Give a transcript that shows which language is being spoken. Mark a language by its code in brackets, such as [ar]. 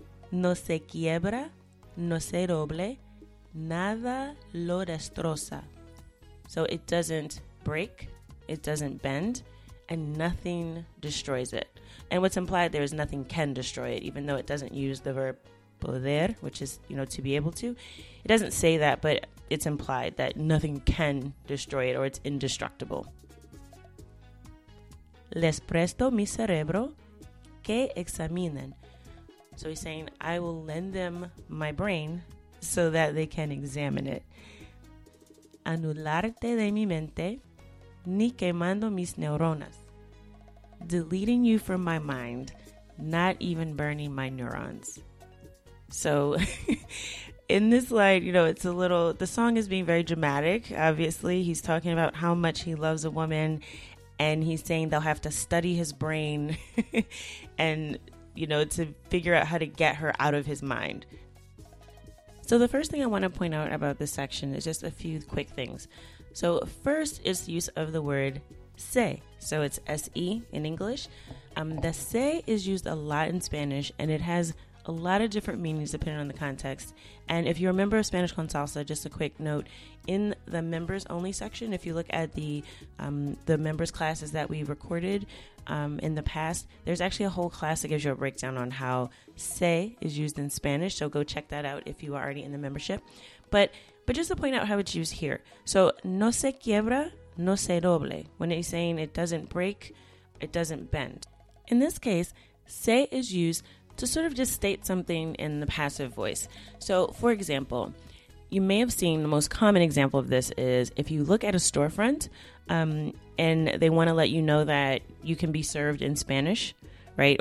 [es] No se quiebra, no se doble, nada lo destroza. [en] So it doesn't break, it doesn't bend, and nothing destroys it. And what's implied there is nothing can destroy it, even though it doesn't use the verb poder, which is, you know, to be able to. It doesn't say that, but it's implied that nothing can destroy it or it's indestructible. [es] Les presto mi cerebro que examinen. [en] So he's saying, I will lend them my brain so that they can examine it. [es] Anularte de mi mente ni quemando mis neuronas. [en] Deleting you from my mind, not even burning my neurons. So in this line, you know, it's a little, the song is being very dramatic. Obviously, he's talking about how much he loves a woman. And he's saying they'll have to study his brain and, you know, to figure out how to get her out of his mind. So the first thing I want to point out about this section is just a few quick things. So first is the use of the word se. So it's S-E in English. The se is used a lot in Spanish and it has a lot of different meanings depending on the context. And if you're a member of Spanish Con Salsa, just a quick note, in the members only section, if you look at the members classes that we recorded in the past, there's actually a whole class that gives you a breakdown on how se is used in Spanish. So go check that out if you are already in the membership. But just to point out how it's used here. So [es] no se quiebra, no se doble. [en] When it's saying it doesn't break, it doesn't bend. In this case, se is used to sort of just state something in the passive voice. So for example, you may have seen the most common example of this is if you look at a storefront and they want to let you know that you can be served in Spanish, right?